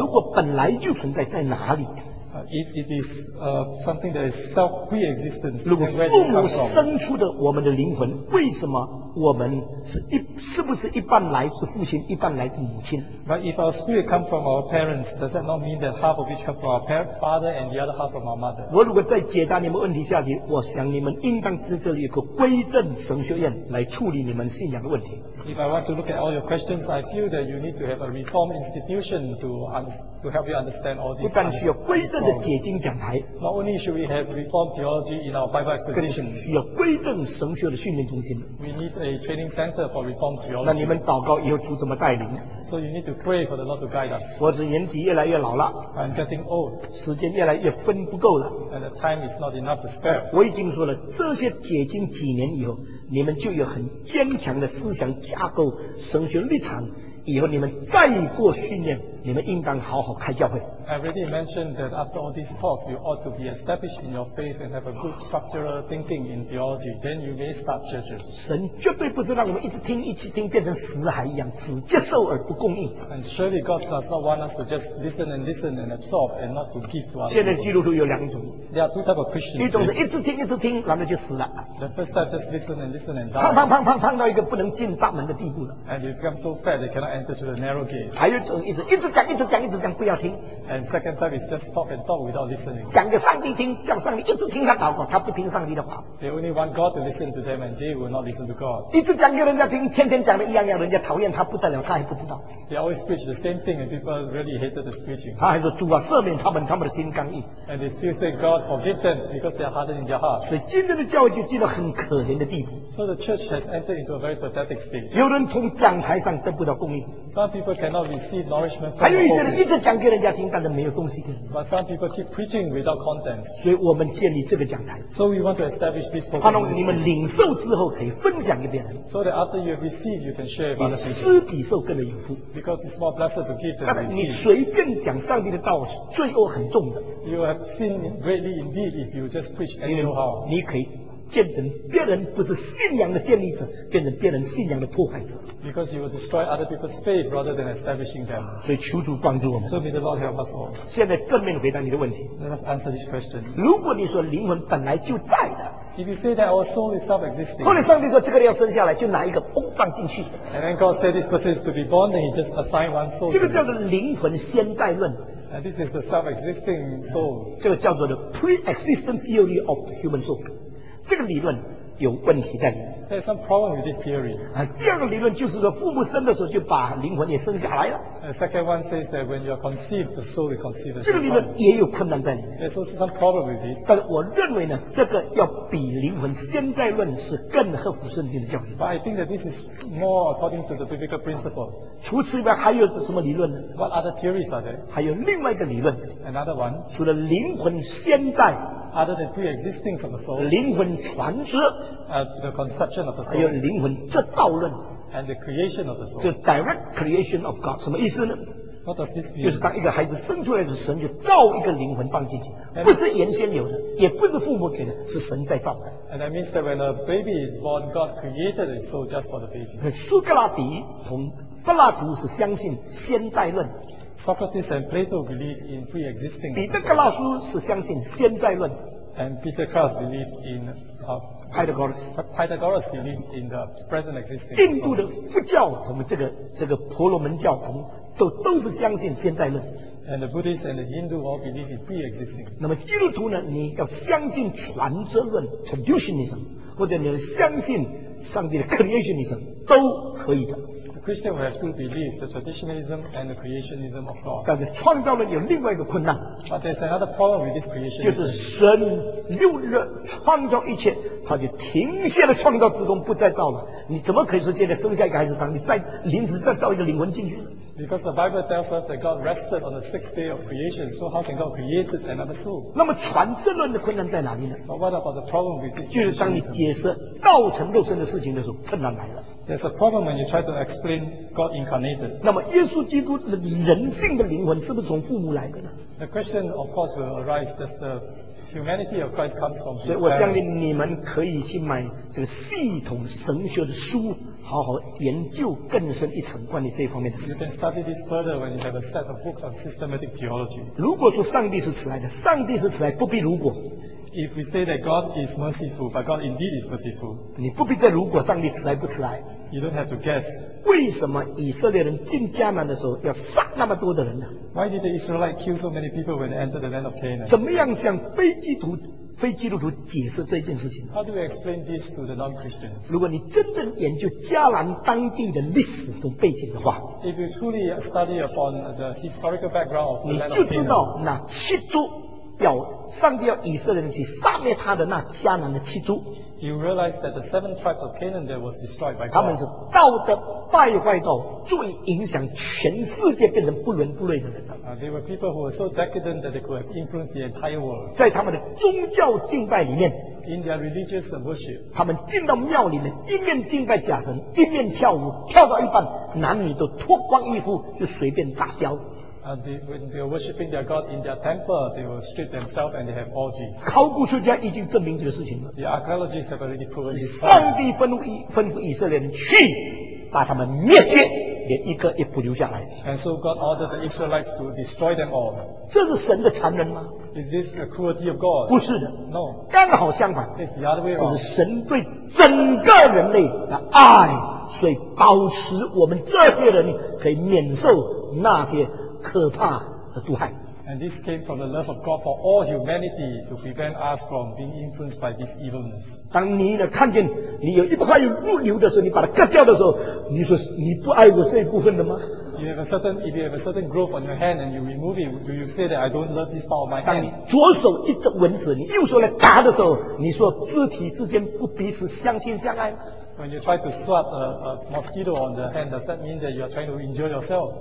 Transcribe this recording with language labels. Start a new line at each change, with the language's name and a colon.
Chinese: 如果本来就存在，在哪里？
English: If it is something that is self-pre-existence,
Chinese: 如果父母生出的我们的灵魂，为什么我们是不是一半来自父亲，一半来自母亲？
English: But if our spirit comes from our parents, does that not mean that half of it comes from our father and the other half from our mother?
Chinese: 我如果再解答你们问题下去，我想你们应当在这里有个归正神学院来处理你们信仰的问题。
English: If I want to look at all your questions, I feel that you need to have a reform institution to help you understand all these.
Chinese: 不但需要归正的解经讲台
English: ，Not only should we have reform theology in our Bible exposition,
Chinese: 更需要归正神学的训练中心。
English: We need a training center for reform theology.
Chinese: 那你们祷告以后主怎么带领
English: ？So you need to pray for the Lord to guide us.
Chinese: 我的年纪越来越老了
English: ，I'm getting old.
Chinese: 时间越来越分不够了
English: ，and the time is not enough to spare.
Chinese: 我已经说了，这些解经几年以后。你们就有很坚强的思想架构、神学立场。以后你们再过训练，你们应当好好开教会。
English: I already mentioned that after all these talks, you ought to be established in your faith and have a good structural thinking in theology. Then you may start churches.
Chinese: 神绝对不是让我们一直听、一直听，变成死海一样，只接受而不供应。
English: And surely God does not want us to just listen and listen and absorb and not to give to us.
Chinese: 现在基督徒有两种。
English: There are two type of Christians.
Chinese: 一种是一直听、一直听，然后就死了。
English: The first type just listen and listen and die.
Chinese: 胖到一个不能进闸门的地步了。
English: And you become so fat they cannot enter through the narrow gate.
Chinese: 还有一种一直讲、一直讲、一直讲，不要听。
English: And second time is just talk and talk without listening.
Chinese: 讲给上帝听，叫上帝一直听他祷告，他不听上帝的话。
English: They only want God to listen to them, and they will not listen to God.
Chinese: 一直讲给人家听，天天讲的一样样，人家讨厌他不得了，他还不知道。
English: They always preach the same thing, and people really hated the preaching.
Chinese: 他还说主啊，赦免他们，他们的心刚硬。
English: And they still say God forgive them because they are hardened in their heart.
Chinese: 所以今天的教会就进了很可怜的地步。
English: So the church has entered into a very pathetic state.
Chinese: 有人从讲台上得不到供应。
English: Some people cannot receive nourishment.
Chinese: 还有一些人一直讲给人家听，但是没有东西听。
English: But some people keep preaching without content.
Chinese: 所以我们建立这个讲台。
English: So we want to establish this program.
Chinese: 盼望你们领受之后可以分享给别人。
English: So that after you receive, you can share.
Chinese: 比施比受更有福。
English: Because it's more blessed to give than receive.
Chinese: 你随便讲上帝的道，罪恶很重的。
English: You have sinned greatly indeed if you just preach anyhow.
Chinese: 你可以变成别人不是信仰的建立者，变成别人信仰的破坏者。
English: Because you will destroy other people's faith rather than establishing them.
Chinese: 所以求主帮助我们。
English: So may the Lord help us all.
Chinese: 现在正面回答你的问题。
English: Let us answer this question.
Chinese: 如果你说灵魂本来就在的。
English: If you say that our soul is self-existing,
Chinese: 后来上帝说这个人要生下来，就拿一个嘣放进去。
English: And then God said this person is to be born, then He just assigned one soul.
Chinese: 这个叫做灵魂先在论。
English: And this is the self-existing soul.
Chinese: 这个叫做
English: the pre-existent theory of the human soul.
Chinese: 这个理论有问题在里面。
English: There's some problem with this theory.
Chinese: 第二个理论就是说，父母生的时候就把灵魂也生下来了。
English: The second one says that when you are conceived, the soul is conceived.
Chinese: 这个理论也有困难在里面。
English: There's also some problem with this.
Chinese: 但我认为呢，这个要比灵魂现在论是更合乎圣经的教义。
English: But I think that this is more according to the biblical principle.
Chinese: 除此以外还有什么理论呢？
English: What other theories are there?
Chinese: 还有另外一个理论。
English: Another one.
Chinese: 除了灵魂现在。
English: Other than pre-existing of the soul.
Chinese: 灵魂传之。
English: The conception of the soul.
Chinese: 还有灵魂制造论。
English: And the creation of the soul.
Chinese: 就
English: direct creation of God.
Chinese: 什么意思呢？
English: What does this mean?
Chinese: 就是当一个孩子生出来的时候，神就造一个灵魂放进去，不是原先有的，也不是父母给的，是神在造的。
English: And that means that when a baby is born, God created a soul just for the baby.
Chinese: 苏格拉底同柏拉图是相信先在论。
English: Socrates and Plato believe in pre-existing.
Chinese: 彼得格拉斯是相信先在论。
English: And Peter Kras believe in Pythagoras believe in the present existing.
Chinese: 印度的佛教，我们这个婆罗门教，我们都是相信先在论。
English: And the Buddhists and the Hindu all believe in pre-existing.
Chinese: 那么基督徒呢，你要相信全责论 traditionism， 或者你要相信上帝的 creationism， 都可以的。
English: The Christian will have to believe the traditionism and the creationism of God.
Chinese: 但是创造论有另外一个困难。
English: But there's another problem with this creationism.
Chinese: 就是神六日创造一切，他就停歇了创造之功，不再造了。你怎么可以说现在生下一个孩子上，你再临时再造一个灵魂进去？
English: Because the Bible tells us that God rested on the sixth day of creation, so how can God create another soul?
Chinese: 那么全知论的困难在哪里呢？
English: But what about the problem with this?
Chinese: 就是当你解释道成肉身的事情的时候，困难来了。
English: There's a problem when you try to explain God incarnated.
Chinese: 那么耶稣基督的人性的灵魂是不是从父母来的呢？
English: The question, of course, will arise. Does the humanity of Christ comes from his parents?
Chinese: 所以我相信你们可以去买这个系统神学的书。好好研究更深一层关于这方面的事。
English: You can study this further when you have a set of books on systematic theology.
Chinese: 如果说上帝是慈爱的，上帝是慈爱，不必如果。
English: If we say that God is merciful, but God indeed is merciful,
Chinese: 你不必再如果上帝慈爱不慈爱。
English: You don't have to guess.
Chinese: 为什么以色列人进迦南的时候要杀那么多的人呢？
English: Why did the Israelites kill so many people when they entered the land of Canaan?
Chinese: 怎么样向非基督徒解释这件事情？
English: How do we explain this to the non-Christians?
Chinese: 如果你真正研究迦南当地的历史和背景的话，
English: If you truly study upon the historical background of the land of
Chinese: Canaan, 你就知道那七族要上帝要以色列人去杀灭他的那迦南的七族，
English: You realize that the seven tribes of Canaan that was destroyed by God,
Chinese: 他们是道德败坏到最影响全世界变成不伦不类的人。
English: They were people who were so decadent that they could have influenced the entire world.
Chinese: 在他们的宗教敬拜里面，
English: In their religious worship,
Chinese: 他们进到庙里面，一面敬拜假神，一面跳舞，跳到一半，男女都脱光衣服，就随便杂交。
English: When they were worshipping their God in their temple, they will strip themselves and they have orgies.
Chinese: 考古学家已经证明这个事情了。
English: The archaeologists have already proven this.
Chinese: 上帝吩咐以色列人去把他们灭绝。连一个也不留下来。
English: And so God ordered the Israelites to destroy them all.
Chinese: 这是神的残忍吗？
English: Is this the cruelty of God?
Chinese: 不是的。
English: No.
Chinese: 刚好相反。
English: It's the other way around.
Chinese: 就是神对整个人类的爱，所以保持我们这些人可以免受那些可怕的毒害。
English: And this came from the love of God for all humanity to prevent us from being influenced by this evilness.
Chinese: 当你呢看见你有一块肉瘤的时候，你把它割掉的时候，你说你不爱我这一部分的吗？
English: You have a certain, if you have a certain growth on your hand and you remove it, do you say that I don't love this part of my hand?
Chinese: 当你左手一只蚊子，你右手来打的时候，你说肢体之间不彼此相亲相爱？
English: When you try to swat a mosquito on the hand, does that mean that you are trying to injure yourself?